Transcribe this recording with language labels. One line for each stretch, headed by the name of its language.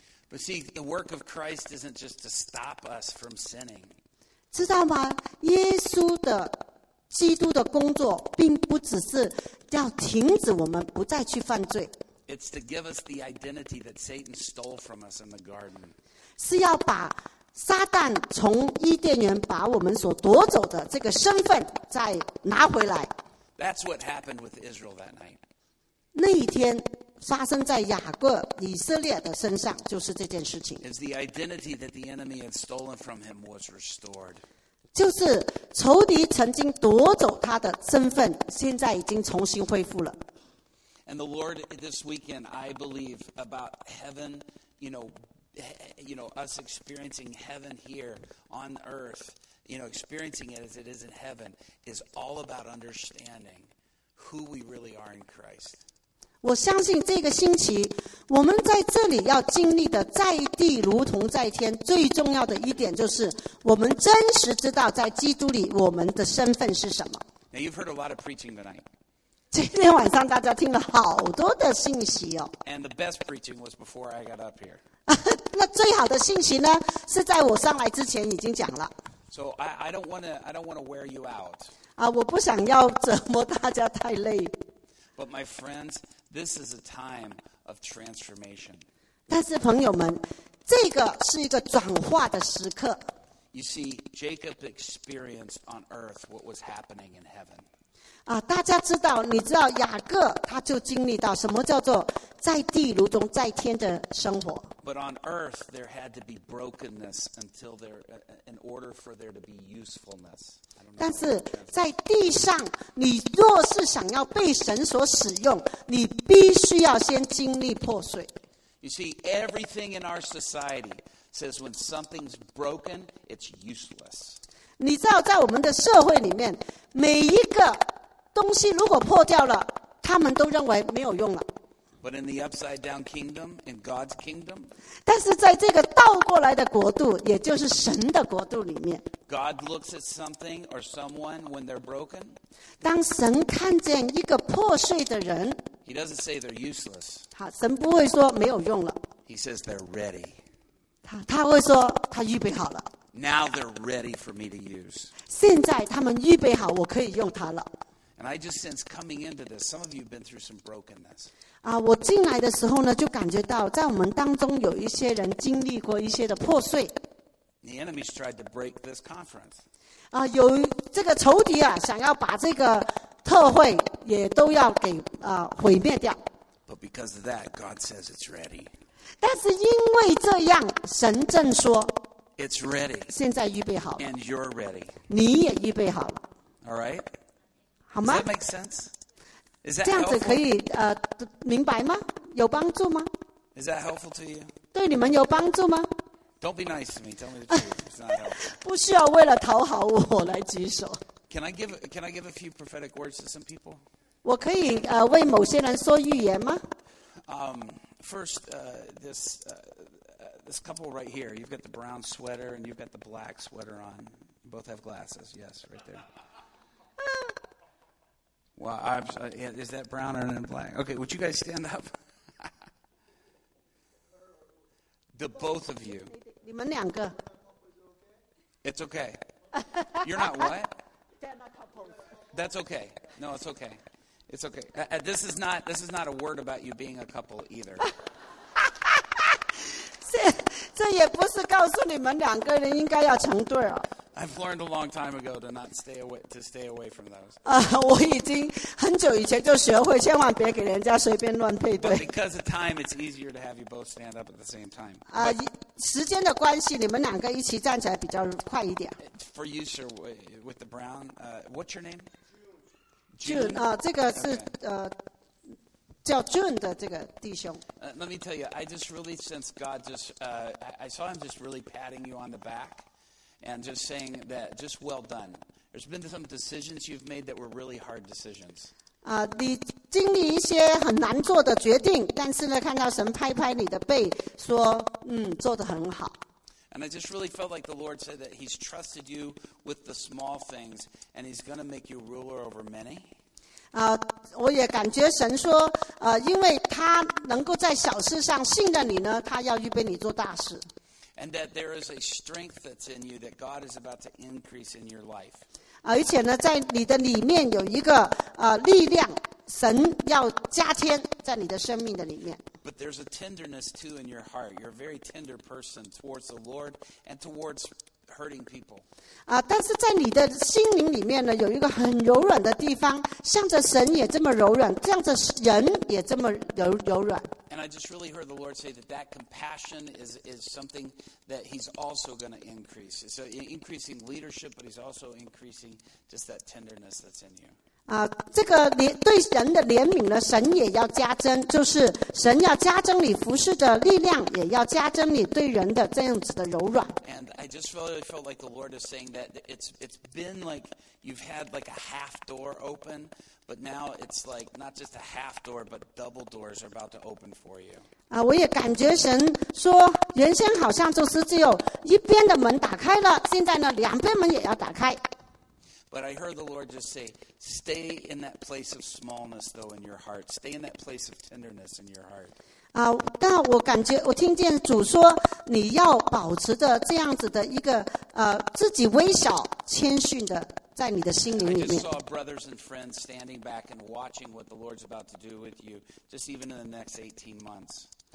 English: But see, the work of Christ isn't just to stop us from sinning.
Chinese: 知道吗？耶稣的基督的工作并不只是要停止我们不再去犯罪。
English: It's to give us the identity that Satan stole from us in the garden.
Chinese: 是要把撒旦从伊甸园把我们所夺走的这个身份再拿回来。
English: That's what happened with Israel that night.
Chinese: 那一天发生在雅各以色列的身上，就是这件事情。
English: Is the identity that the enemy had stolen from him was restored.
Chinese: 就是仇敌曾经夺走他的身份，现在已经重新恢复了。
English: And the Lord, this weekend, I believe about heaven, us experiencing heaven here on earth, experiencing it as it is in heaven, is all about understanding who we really are in Christ.
Chinese: 我相信这个星期我们在这里要经历的在地如同在天最重要的一点就是我们真实知道在基督里我们的身份是什么。
English: Now you've heard a lot of preaching tonight.
Chinese: 今天晚上大家听了好多的信息哦。
English: And the best preaching was before I got up here.
Chinese: 那最好的信息呢是在我上来之前已经讲了。
English: So I don't want to wear you out.
Chinese: 啊我不想要折磨大家太累。
English: But my friends,This is a time of transformation.
Chinese: 但是朋友们，这个是一个转化的时刻。
English: You see, Jacob experienced on earth what was happening in heaven.
Chinese: 啊，大家知道，你知道雅各他就经历到什么叫做在地如同在天的生活。
English: But on earth, there had to be brokenness until there, in order for there to be usefulness.
Chinese: 但是在地上，你若是想要被神所使用，你必须要先经历破碎。
English: You see, everything in our society says when something's broken, it's useless.
Chinese: 你知道，在我们的社会里面，每一个东西如果破掉了，他们都认为没有用了。
English: But in the upside down kingdom, in God's kingdom,
Chinese: 但是在这个倒过来的国度，也就是神的国度里面，
English: God looks at something or someone when they're broken.
Chinese: 当神看见一个破碎的人，
English: He doesn't say they're useless.
Chinese: 神不会说没有用了。
English: He says they're ready.
Chinese: 他会说他预备好了。
English: Now they're ready for me to use.
Chinese: 现在他们预备好，我可以用他了。
English: And I just sense coming into this, some of you have been through some brokenness.
Chinese: 啊，我进来的时候呢，就感觉到在我们当中有一些人经历过一些的破碎。
English: The enemy's tried to break this conference.
Chinese: 啊，有这个仇敌啊，想要把这个特会也都要给啊毁灭掉。
English: But because of that, God says it's ready.
Chinese: 但是因为这样，神正说
English: ，It's ready.
Chinese: 现在预备好。
English: And you're ready.
Chinese: 你也预备好了。
English: All right.
Chinese: 好吗？
English: Does that make sense? Is that
Chinese: 这样子可以明白吗？有帮助吗？
English: Is that helpful to you?
Chinese: 对你们有帮助吗？
English: Don't be nice to me. Tell me the truth. It's not helpful.
Chinese: 不需要为了讨好我来举手。
English: Can I give a few prophetic words to some people?
Chinese: 我可以为某些人说预言吗？
English: First, this couple right here. You've got the brown sweater and you've got the black sweater on. You both have glasses. Yes, right there. Well, is that brown or black? Okay, would you guys stand up? The both of you.
Chinese: 你们两个。
English: It's okay. You're not what? That's okay. No, it's okay. It's okay. This is not a word about you being a couple either.
Chinese: 这也不是告诉你们两个人应该要成对哦。
English: I've learned a long time ago to not stay away, to stay away from those.
Chinese: 我已经很久以前就学会千万别给人家随便乱配对。
English: But because of time, it's easier to have you both stand up at the same time.
Chinese: 时间的关系，你们两个一起站起来比较快一点。
English: For you, sir, with the brown, what's your name?
Chinese: June. 这个是、叫 June 的这个弟兄。
English: Let me tell you, I just really sense God just, I saw him just really patting you on the back. And just saying that, just well done. There's been some decisions you've made that were really hard decisions.
Chinese: 你经历一些很难做的决定，但是呢，看到神拍拍你的背，说，做得很好。
English: And I just really felt like the Lord said that He's trusted you with the small things, and He's going to make you ruler over many.
Chinese: 我也感觉神说，因为他能够在小事上信任你呢，他要预备你做大事。
English: And that there is a strength that's in you that God is about to increase in your life.
Chinese: 而且呢，在你的里面有一个力量，神要加添在你的生命的里面。
English: But there's a tenderness too in your heart. You're a very tender person towards the Lord and towards hurting people.
Chinese: 啊，但是在你的心灵里面呢，有一个很柔软的地方，向着神也这么柔软，向着人也这么柔软。
English: And I just really heard the Lord say that that compassion is something that He's also going to increase. It's an increasing leadership, but He's also increasing just that tenderness that's in you.
Chinese: 啊，这个对人的怜悯呢，神也要加增，就是神要加增你服事的力量，也要加增你对人的这样子的柔软。
English: And I just really felt like the Lord is saying that it's been like you've had like a half door open, but now it's like not just a half door, but double doors are about to open for you.
Chinese: 啊，我也感觉神说，原先好像就是只有一边的门打开了，现在呢，两边门也要打开。
English: But I heard the Lord just say, stay in that place of smallness though in your heart. Stay in that place of tenderness in your heart.
Chinese: 啊，但我感觉我听见主说，你要保持着这样子的一个自己微小谦逊的在你的心灵里面。
English: I just saw brothers and friends standing back and watching what the Lord's about to do with you, just even in the next 18 months.